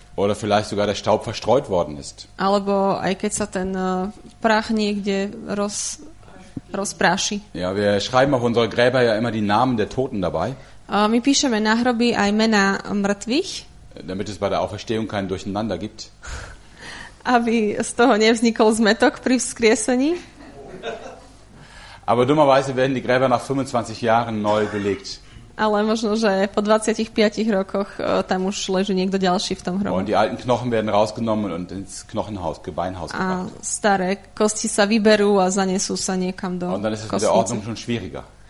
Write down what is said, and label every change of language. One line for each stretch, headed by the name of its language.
German: Oder vielleicht sogar der Staub verstreut worden ist.
Slovak: Alebo aj keď sa ten prach niekde rozpráši.
German: Ja, wir schreiben auf unsere Gräber ja immer die Namen der Toten dabei.
Slovak: My píšeme na hroby aj mená mŕtvych.
German: Damit es bei der Auferstehung kein Durcheinander gibt.
Slovak: Aby z toho nevznikol zmetok pri vzkriesení.
German: Aber dummerweise werden die Gräber nach 25 Jahren neu belegt.
Slovak: Ale možno, že po 25 rokoch tam už leží niekto ďalší v tom hrobe.
German: Und die alten Knochen werden rausgenommen und ins Knochenhaus, Gebeinhaus gebracht.
Slovak: A staré kosti sa vyberú a zanesú sa niekam do kostnice.
German: Und dann ist es mit der Ordnung schon schwieriger.